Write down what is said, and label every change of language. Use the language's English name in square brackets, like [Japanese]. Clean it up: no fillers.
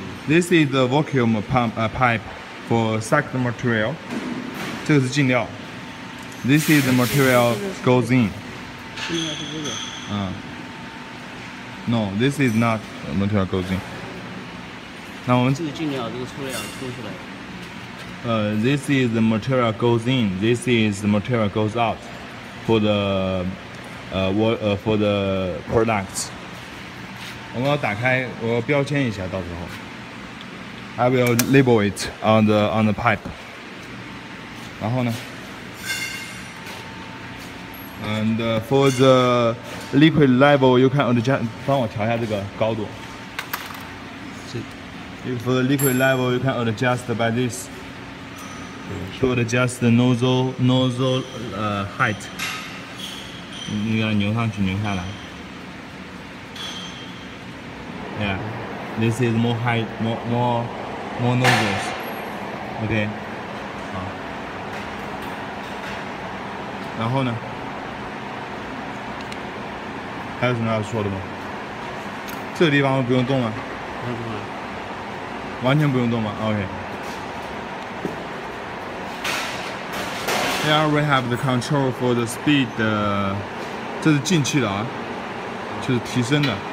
[English] This is the vacuum pump pipe for suck the material. 这个是进料。 This is the material goes in. [Chinese] 进料是这个。 [English] No, this is not the material goes in. [Chinese] 那我们这个进料，这个出料出出来。 [English] This is the material goes in. This is the material goes out for the for the products. [Chinese] 我们要打开，我要标签一下，到时候。 [English] I will label it on the pipe. 然后呢？ And for the liquid level, you can adjust, 帮我调一下这个高度。 For the liquid level, you can adjust by this. To adjust the nozzle height. 你要扭上去扭下来。 Yeah, this is more height, more nozzles. Okay. [Chinese] 然后呢？还有什么要说的吗？这个地方不用动了，完全不用动吗 ？OK。 [English] Here we have the control for the speed. [Chinese] 这是进气的啊，就是提升的。